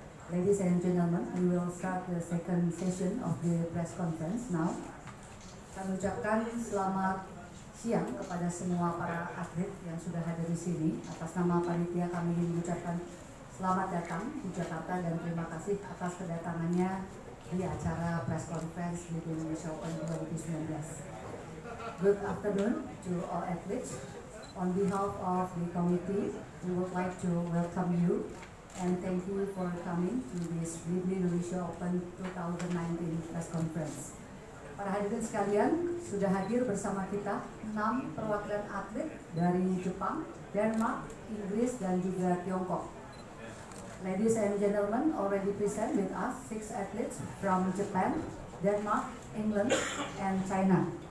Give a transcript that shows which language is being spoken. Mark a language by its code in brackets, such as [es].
[en] Ladies and gentlemen, we will start the second session of the press conference now. [id] Kami ucapkan selamat siang kepada semua para atlet yang sudah hadir di sini. Atas nama panitia kami ingin mengucapkan selamat datang di Jakarta dan terima kasih atas kedatangannya di acara press conference di Indonesia Open 2019. [en] Good afternoon to all athletes. On behalf of the committee, we would like to welcome you and thank you for coming to this Bidney Indonesia Open 2019 press conference. [id] Para hadirin sekalian, sudah hadir bersama kita 6 perwakilan atlet dari Jepang, Denmark, Inggris, dan juga Tiongkok. [en] Ladies and gentlemen, already present with us 6 athletes from Japan, Denmark, England, and China.